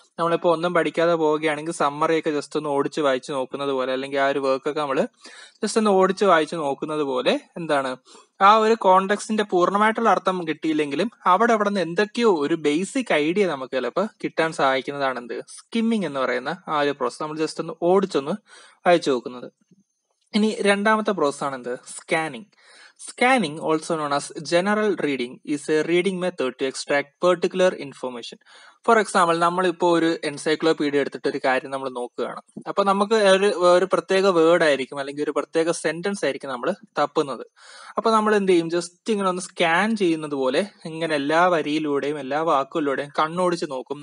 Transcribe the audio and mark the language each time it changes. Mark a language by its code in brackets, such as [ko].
[ml] നമ്മളിപ്പോൾ ഒന്നും പഠിക്കാതെ പോവുകയാണെങ്കിൽ സമ്മറിയൊക്കെ ജസ്റ്റ് ഒന്ന് ഓടിച്ച് വായിച്ച് നോക്കുന്നത് പോലെ, അല്ലെങ്കിൽ ആ ഒരു വർക്കൊക്കെ നമ്മൾ ജസ്റ്റ് ഒന്ന് ഓടിച്ച് വായിച്ച് നോക്കുന്നത് പോലെ, എന്താണ് ആ ഒരു കോണ്ടെക്സ്റ്റിന്റെ പൂർണ്ണമായിട്ടുള്ള അർത്ഥം കിട്ടിയില്ലെങ്കിലും അവിടെ അവിടെ നിന്ന് എന്തൊക്കെയോ ഒരു ബേസിക് ഐഡിയ നമുക്ക് ചിലപ്പോൾ കിട്ടാൻ സഹായിക്കുന്നതാണ് എന്ത് സ്കിമ്മിംഗ് എന്ന് പറയുന്ന ആ ഒരു പ്രോസസ്. നമ്മൾ ജസ്റ്റ് ഒന്ന് ഓടിച്ചൊന്ന് വായിച്ചു നോക്കുന്നത്. ഇനി രണ്ടാമത്തെ പ്രോസസ് ആണ് എന്ത് scanning. [en] Scanning, also known as general reading, is a reading method to extract particular information. For example, [ml] നമ്മളിപ്പോൾ ഒരു എൻസൈക്ലോപീഡിയ എടുത്തിട്ട് ഒരു കാര്യം നമ്മൾ നോക്കുകയാണ്. അപ്പൊ നമുക്ക് ഒരു പ്രത്യേക വേർഡ് ആയിരിക്കും അല്ലെങ്കിൽ ഒരു പ്രത്യേക സെന്റൻസ് ആയിരിക്കും നമ്മൾ തപ്പുന്നത്. അപ്പൊ നമ്മൾ എന്ത് ചെയ്യും? ജസ്റ്റ് ഇങ്ങനെ ഒന്ന് സ്കാൻ ചെയ്യുന്നത് പോലെ ഇങ്ങനെ എല്ലാ വരിയിലൂടെയും എല്ലാ വാക്കുകളിലൂടെയും കണ്ണോടിച്ച് നോക്കും.